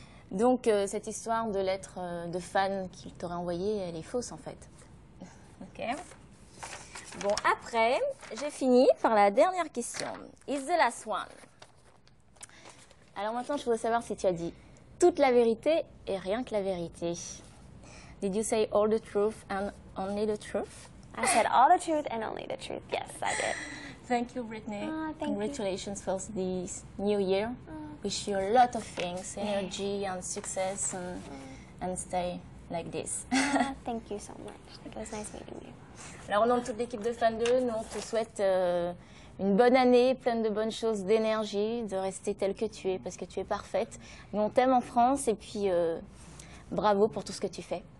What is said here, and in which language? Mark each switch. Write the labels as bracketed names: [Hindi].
[French] Donc, cette histoire de lettres de fans qu'il t'aurait envoyé, elle est fausse, en fait. [English] OK. [French] Bon, après, j'ai fini par la dernière question. [English] It's the last one. [French] Alors maintenant, je voudrais savoir si tu as dit toute la vérité et rien que la vérité. [English] Did you say all the truth and only the truth? I said all the truth and only the truth. Yes, I did. Thank you, Brittany. Oh, thank Congratulations you. For this new year. Wish you a lot of things, energy and success, and stay like this. Thank you so much. It was nice meeting you. [French] Alors, au nom de toute l'équipe de Fan 2, nous, on te souhaite une bonne année, pleine de bonnes choses, d'énergie, de rester telle que tu es, parce que tu es parfaite. Nous, on t'aime en France, et puis bravo pour tout ce que tu fais.